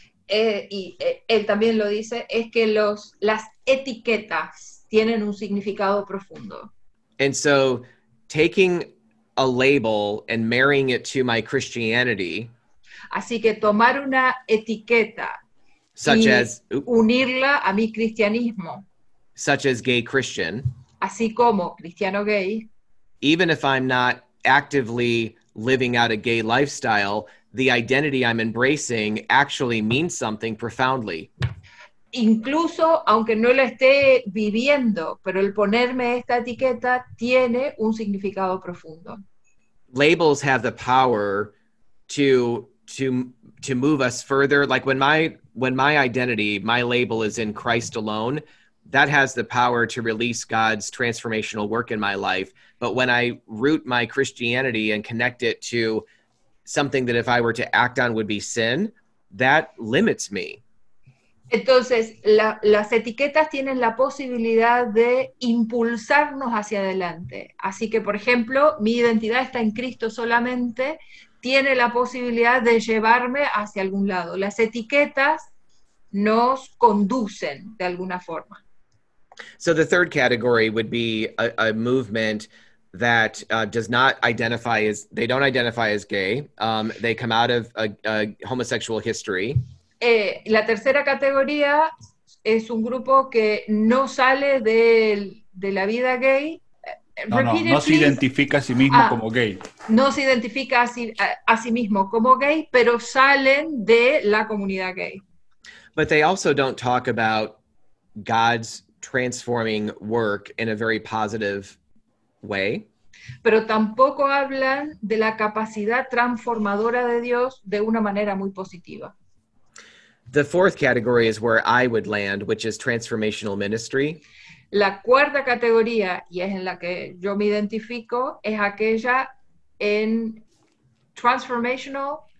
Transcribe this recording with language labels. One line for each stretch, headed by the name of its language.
Spanish: Y él también lo dice, es que las etiquetas tienen un significado profundo.
English: And so, taking a label and marrying it to my Christianity.
Spanish: Así que tomar una etiqueta
English: such
Spanish: y
English: as,
Spanish: unirla a mi cristianismo.
English: Such as gay Christian.
Spanish: Así como cristiano gay.
English: Even if I'm not actively living out a gay lifestyle, the identity I'm embracing actually means something profoundly.
Spanish: incluso aunque no la esté viviendo, pero el ponerme esta etiqueta tiene un significado profundo.
English: Labels have the power to move us further. Like when my identity, my label is in Christ alone, that has the power to release God's transformational work in my life. But when I root my Christianity and connect it to something that if I were to act on would be sin, that limits me.
Spanish: Entonces, las etiquetas tienen la posibilidad de impulsarnos hacia adelante. Así que, por ejemplo, mi identidad está en Cristo solamente, tiene la posibilidad de llevarme hacia algún lado. Las etiquetas nos conducen de alguna forma.
English: So the third category would be a movement that does not identify as, they don't identify as gay. They come out of a homosexual history.
Spanish: La tercera categoría es un grupo que no sale de la vida gay. No se identifica a sí mismo como gay. No se identifica a sí mismo como gay, pero salen de la comunidad gay.
English: But they also don't talk about God's transforming work in a very positive way.
Spanish: Pero tampoco hablan de la capacidad transformadora de Dios de una manera muy positiva.
English: The fourth category is where I would land, which is transformational ministry.
Spanish: La cuarta categoría, y es en la que yo me identifico, es aquella en transformational.